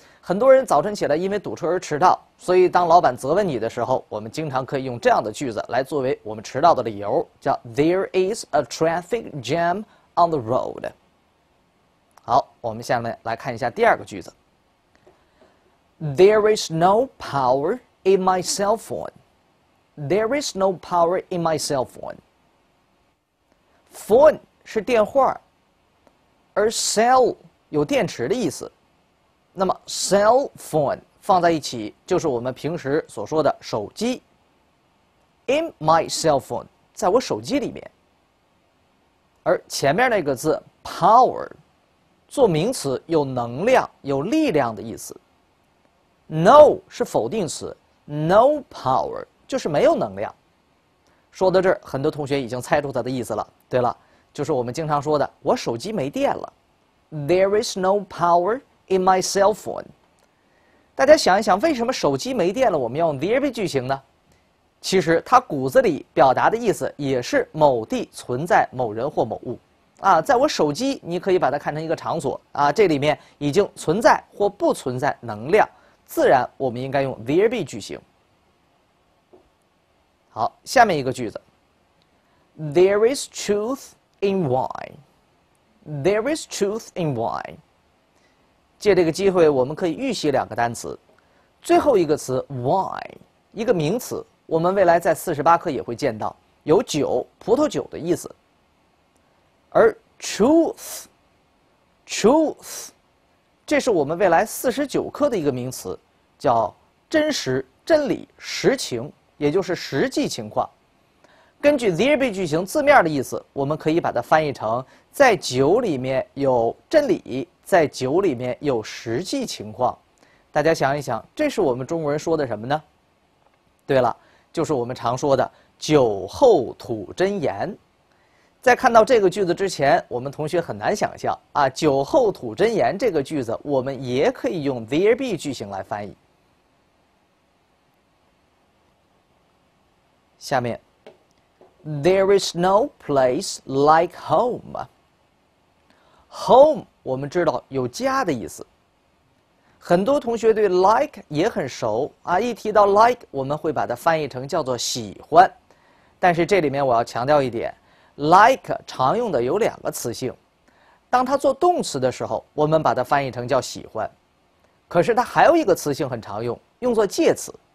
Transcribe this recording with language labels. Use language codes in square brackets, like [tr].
[zh] 很多人早晨起来因为堵车而迟到，所以当老板责问你的时候，我们经常可以用这样的句子来作为我们迟到的理由，叫 [en] There is a traffic jam on the road。 [zh] 好，我们下面来看一下第二个句子。 [en] There is no power in my cell phone. There is no power in my cell phone. [zh] Phone 是电话，而 cell 有电池的意思，那么 cell phone 放在一起就是我们平时所说的手机。 [en] in my cell phone [zh] 在我手机里面，而前面那个字 power 做名词有能量有力量的意思， no 是否定词， [en] no power [zh] 就是没有能量。说到这儿，很多同学已经猜出它的意思了，对了，就是我们经常说的我手机没电了， [en] there is no power in my cell phone。 [zh] 大家想一想，为什么手机没电了我们要用 there be 句型呢？其实它骨子里表达的意思也是某地存在某人或某物啊，在我手机，你可以把它看成一个场所啊，这里面已经存在或不存在能量，自然我们应该用 there be 句型。好，下面一个句子， [en] There is truth in wine. There is truth in wine。 [zh] 借这个机会我们可以预习两个单词，最后一个词 wine 一个名词，我们未来在48课也会见到，有酒葡萄酒的意思。而 truth 这是我们未来49课的一个名词，叫真实真理实情，也就是实际情况。根据 there be 句型字面的意思，我们可以把它翻译成在酒里面有真理，在酒里面有实际情况。大家想一想，这是我们中国人说的什么呢？对了，就是我们常说的酒后吐真言。在看到这个句子之前，我们同学很难想象啊，酒后吐真言这个句子我们也可以用 there be 句型来翻译。下面 [en] There is no place like home. [zh] Home我们知道有家的意思，很多同学对 like 也很熟啊。一提到 like， 我们会把它翻译成叫做喜欢，但是这里面我要强调一点， like 常用的有两个词性，当它做动词的时候我们把它翻译成叫喜欢，可是它还有一个词性很常用，用作介词。